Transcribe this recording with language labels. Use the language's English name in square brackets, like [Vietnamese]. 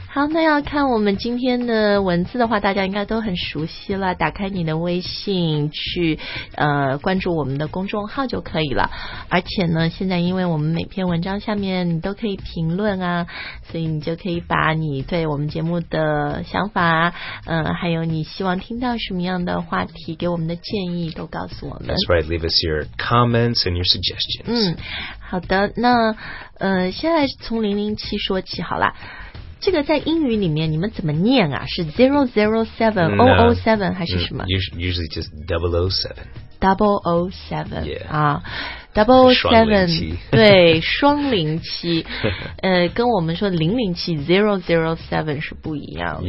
[Chinese] 好，那要看我们今天的文字的话大家应该都很熟悉了，打开你的微信去关注我们的公众号就可以了，而且呢现在因为我们每篇文章下面你都可以评论啊，所以你就可以把你对我们节目的想法还有你希望听到什么样的话题给我们的建议都告诉我们。 [English] That's right, leave us your comments and your suggestions. [Chinese] 嗯，好的，那现在从007说起好了，这个在英语里面你们怎么念啊，是 007 007 还是什么、 [English] usually just 007 007、 yeah. [Chinese] 啊007对双零七跟我们说007 007是不一样的